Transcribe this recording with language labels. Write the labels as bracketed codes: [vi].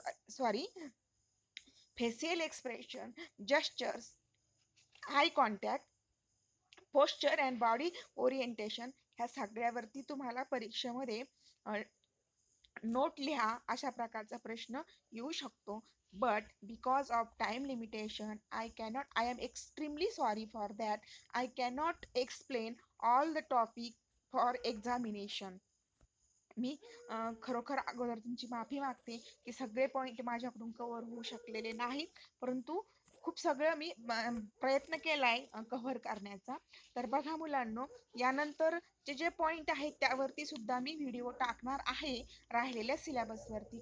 [mr] Sorry facial expression, gestures, eye contact, posture and body orientation, ह्या सगळ्यावरती तुम्हाला परीक्षेमध्ये note लिहा अशा प्रकारचा प्रश्न येऊ शकतो. [en] But because of time limitation, I am extremely sorry for that. I cannot explain all the topic for examination. [mr] मी खरोखर अगोदर तुमची माफी मागते की सगळे पॉईंट माझ्याकडून कव्हर होऊ शकलेले नाहीत, परंतु खूप सगळं मी प्रयत्न केलाय कव्हर करण्याचा. तर बघा मुलांनो, यानंतर जे पॉईंट आहेत त्यावरती सुद्धा मी व्हिडिओ टाकणार आहे राहिलेल्या सिलेबसवरती.